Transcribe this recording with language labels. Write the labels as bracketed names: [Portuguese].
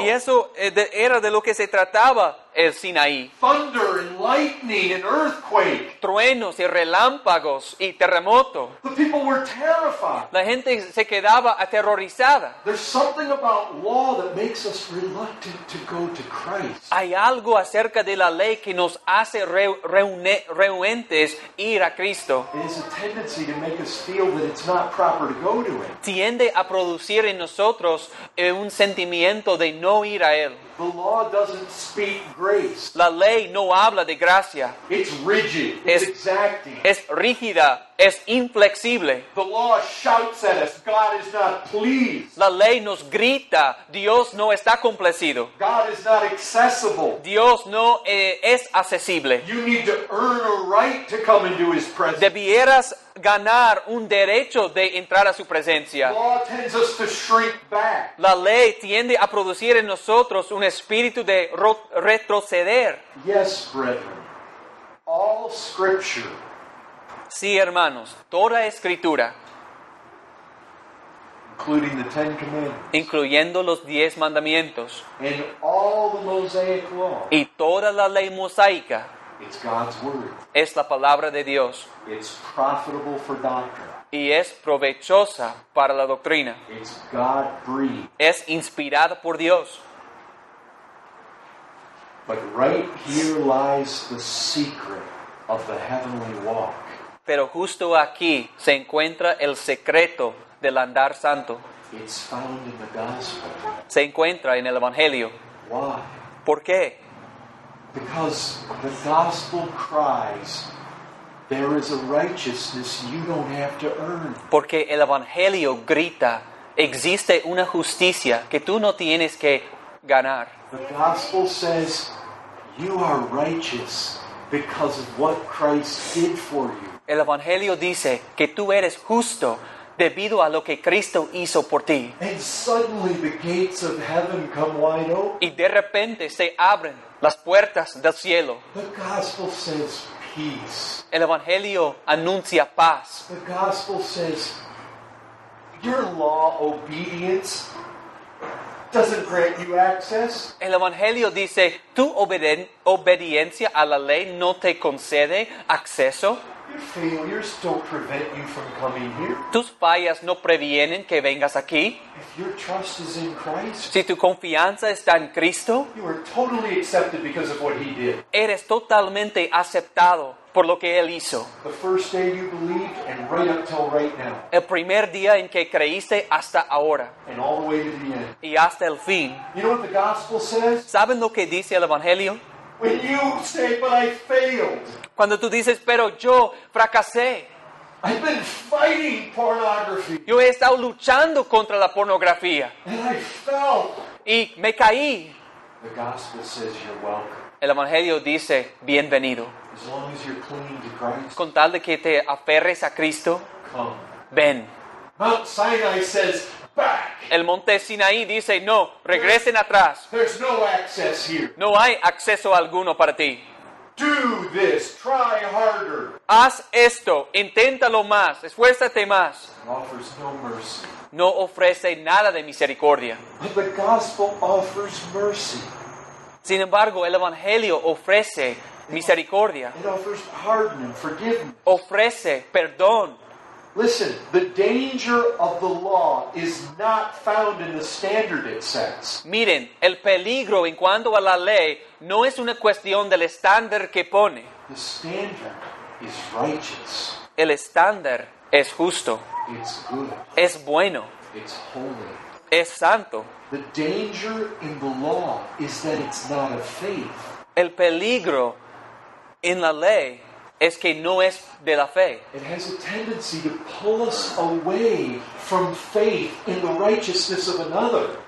[Spanish] Y eso era de lo que se trataba el Sinaí. [English] Thunder and lightning and earthquake. [Spanish] Truenos y relámpagos y terremoto. [English] The people were terrified. [Spanish] La gente se quedaba aterrorizada. [English] There's something about law that makes us reluctant to go to Christ. [Spanish] Hay algo acerca de la ley que nos hace rehuentes ir a Cristo. [English] It has a tendency to make us feel that it's not proper to go to Him. [Spanish] Tiende a producir en nosotros un sentimiento de no ir a Él. [English] The law doesn't speak grace. [Spanish] La ley no habla de gracia. [English] It's rigid. It's exacting. [Spanish] Es rígida. Es inflexible. [English] The law shouts at us, God is not pleased. [Spanish] La ley nos grita, Dios no está complacido. [English] God is not accessible. [Spanish] Dios no es accesible. [English] You need to earn a right to come into His presence. [Spanish] Debieras ganar un derecho de entrar a su presencia. [English] Law tends us to shrink back. [Spanish] La ley tiende a producir en nosotros un espíritu de retroceder. [English] Yes, brethren, all scripture. [Spanish] Sí, hermanos, toda escritura, [English] including the Ten Commandments, [Spanish] incluyendo los 10 mandamientos, [English] and all the Mosaic law, [Spanish] y toda la ley mosaica, [English] it's God's word. [Spanish] Es la palabra de Dios. [English] It's profitable for doctrine. [Spanish] Y es provechosa para la doctrina. [English] It's God-breathed. [Spanish] Es inspirada por Dios. [English] But right here lies the secret of the heavenly walk. [Spanish] Pero justo aquí se encuentra el secreto del andar santo. [English] It's found in the gospel. [Spanish] Se encuentra en el Evangelio. [English] Why? [Spanish] ¿Por qué? [English] Because the gospel cries, there is a righteousness you don't have to earn. [Spanish] Porque el Evangelio grita, existe una justicia que tú no tienes que ganar. [English] The gospel says, you are righteous because of what Christ did for you. [Spanish] El Evangelio dice que tú eres justo debido a lo que Cristo hizo por ti. [English] And suddenly the gates of heaven come wide open. [Spanish] Y de repente se abren las puertas del cielo. [English] The gospel says peace. [Spanish] El Evangelio anuncia paz. [English] The gospel says your law obedience doesn't grant you access. [Spanish] El Evangelio dice tu obediencia a la ley no te concede acceso. [English] Your failures don't prevent you from coming here. [Spanish] Tus fallas no previenen que vengas aquí. [English] If your trust is in Christ, [Spanish] si tu confianza está en Cristo, [English] you are totally accepted because of what He did. [Spanish] Eres totalmente aceptado por lo que Él hizo. [English] The first day you believed and right up till right now. [Spanish] El primer día en que creíste hasta ahora. [English] And all the way to the end. [Spanish] Y hasta el fin. [English] You know what the gospel says? [Spanish] ¿Saben lo que dice el Evangelio? [English] When you say, but I failed. [Spanish] Cuando tú dices, pero yo fracasé. [English] I've been fighting pornography. [Spanish] Yo he estado luchando contra la pornografía. [English] And I fell. [Spanish] Y me caí. [English] The gospel says you're welcome. [Spanish] El Evangelio dice, bienvenido. [English] As long as you're clinging to Christ. [Spanish] Con tal de que te aferres a Cristo. [English] Come. [Spanish] Ven. [English] Mount Sinai says, back. [Spanish] El monte Sinaí dice, no, regresen [English] there's, [Spanish] atrás. [English] There's no access here. [Spanish] No hay acceso alguno para ti. [English] Do this, try harder. [Spanish] Haz esto, inténtalo más, esfuérzate más. [English] Offers no mercy. [Spanish] No ofrece nada de misericordia. [English] But the gospel offers mercy. [Spanish] Sin embargo, el Evangelio ofrece misericordia. [English] It offers pardon and forgiveness. [Spanish] Ofrece perdón. [English] Listen, the danger of the law is not found in the standard it sets. [Spanish] Miren, el peligro en cuanto a la ley no es una cuestión del estándar que pone. [English] The standard is righteous. [Spanish] El estándar es justo. [English] It's good. [Spanish] Es bueno. [English] It's holy. [Spanish] Es santo. [English] The danger in the law is that it's not of faith. [Spanish] El peligro en la ley es que no es de la fe. [English] It has a tendency to pull us away from faith in the righteousness of another.